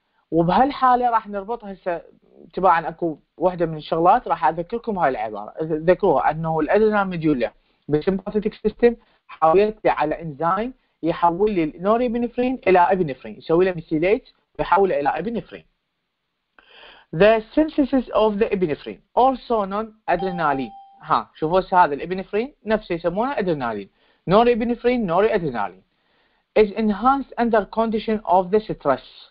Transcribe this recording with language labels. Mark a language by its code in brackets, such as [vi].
[ar] وبهالحاله راح نربطها هسه تبعا اكو واحده من الشغلات راح اذكركم هاي العباره، ذكروها انه الادرينال ميدولا بالسمباثيتك سيستم حاولت على انزيم يحول لي النوربينفرين الى ابنفرين، يسوي له ميثيليت ويحوله الى ابنفرين. [en] The synthesis of the epinephrine also known adrenaline. [ar] ها شوفوا هسه هذا الابنفرين نفسه يسمونه ادرينالين، نوربينفرين نوري ادرينالين. [en] Is enhanced under condition of the stress.